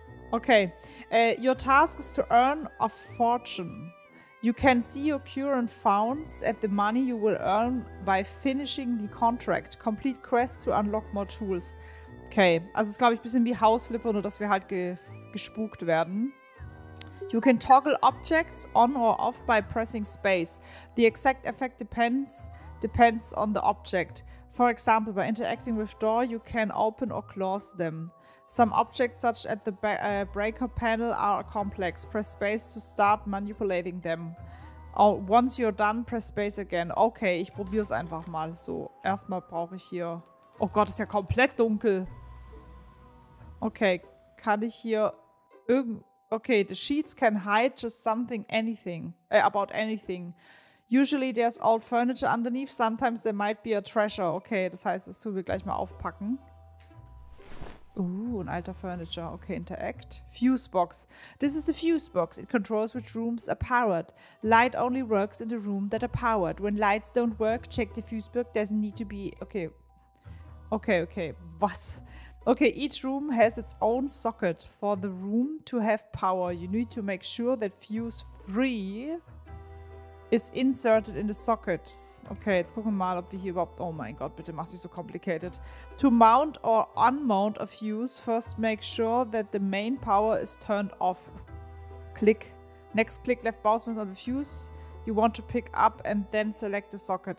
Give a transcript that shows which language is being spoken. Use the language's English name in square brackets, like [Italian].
[English] Okay, your task is to earn a fortune. You can see your current funds at the money you will earn by finishing the contract. Complete quests to unlock more tools. [German] Okay, also es ist, glaube ich, ein bisschen wie House Flipper, nur dass wir halt gespukt werden. [English] You can toggle objects on or off by pressing space. The exact effect depends on the object. For example, by interacting with door, you can open or close them. Some objects, such as the breaker panel, are complex. Press space to start manipulating them. Oh, once you're done, press space again. [German] Okay, ich probiere es einfach mal. So, erstmal brauche ich hier. Oh Gott, ist ja komplett dunkel. Okay, kann ich hier irgend. [English] Okay, the sheets can hide just something, anything, about anything. Usually there's old furniture underneath, sometimes there might be a treasure. [German] Okay, das heißt, das tun wir gleich mal aufpacken. Ein alter [English] Furniture. Okay, interact. Fuse box. This is the fuse box. It controls which rooms are powered. Light only works in the room that are powered. When lights don't work, check the fuse box. Doesn't need to be... Okay. Okay, okay. Was? Okay, each room has its own socket. For the room to have power, you need to make sure that fuse 3 is inserted in the socket. [German] Okay, jetzt gucken wir mal, ob wir hier überhaupt... Oh mein Gott, bitte mach's nicht so complicated. [English] To mount or unmount a fuse, first make sure that the main power is turned off. Click. Next click left mouse on the fuse you want to pick up and then select the socket.